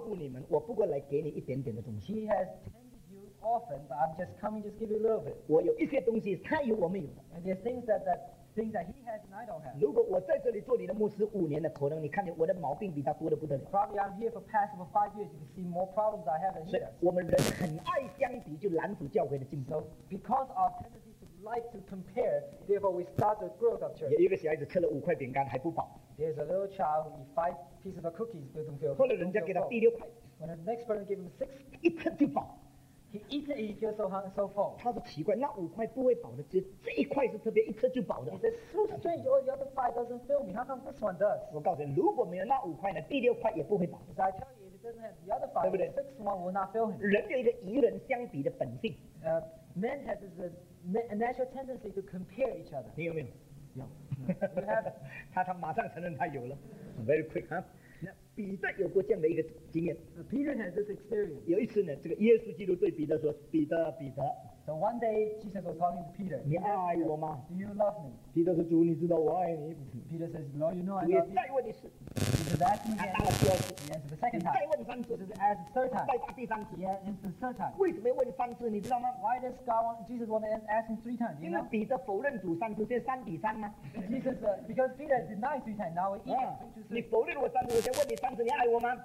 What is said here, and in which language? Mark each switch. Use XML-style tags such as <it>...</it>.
<zh>不要与人相比，不要与人相比。我告诉你，如果你相比，你发现，哎，堂弟兄来了，他讲到恩赐，比刘牧师好。我告诉你，他常照顾你们，我不过来给你一点点的东西。</zh> <en>Often, but I'm just coming, just give you a little bit.</en> <zh>我有一些东西，他有我没有。</zh> <en>And there are things that he has and I don't have.</en> <zh>如果我在这里做你的牧师五年了，可能你看见我的毛病比他多得不得了。</zh> <en>Probably I'm here for past for 5 years. You can see more problems I have than he does.</en> <zh>我们人很爱相比，就拦阻教会的进步。</zh> <en>So because of tendency to like to compare, therefore we start the growth of church.</en> <zh>有一个小孩子吃了5块饼干还不饱。</zh> <en>There's a little child who eat 5 pieces of cookies still don't feel.</en> <zh>后来人家给他递6块。</zh> <en>When the next person gave him 6,</en> <zh>一吃就饱。</zh> <en>He eats it and he feels so full.</en> <zh>他说奇怪，那五块不会饱的， 这一块是特别一吃就饱的。</zh> <en>He says, so strange, all the other 5 doesn't fill me. How come this one does?</en> <zh>我告诉你，如果没有那五块呢， 第6块也不会饱。</zh> <en>I tell you, if it doesn't have the other 5, the 6th one will not fill him.</en> <zh>人有一个与人相比的本性。</zh> <en>Men have this natural tendency to compare each other.</en> <zh>你有没有?</zh> <en>Yeah.</en> <zh>他马上承认他有了。</zh> <en>Very quick, huh?</en> <zh>彼得有过这样的一个经验。</zh> <en>Peter has this experience.</en> <zh>有一次呢，这个耶稣基督对彼得说：“彼得，彼得。”</zh> <en>So one day Jesus was talking to Peter.</en> <zh>你爱我吗？</zh> <en>Do you love me?</en> <zh>彼得说：“主，你知道我爱你。”</zh> <en>Peter says, "Lord, you know I love you."</en> <zh>再问一次。</zh> <en>Jesus asked him again.</en> <zh>他答了第二次。</zh> <en>He answered the second time.</en> <zh>你再问三次。</zh> <en>Jesus asked the third time.</en> <zh>再答第三次。</zh> <en>He answered the third time.</en> <zh>为什么要问三次？你知道吗？</zh> <en>Why does God want Jesus want to ask him three times?</en> <zh>因为彼得否认主三次，这是三比三吗？</zh> <en>Jesus, because Peter denied three times, now we equal.</en> <zh>你否认我三次，我先问你三次，你爱我吗？</zh>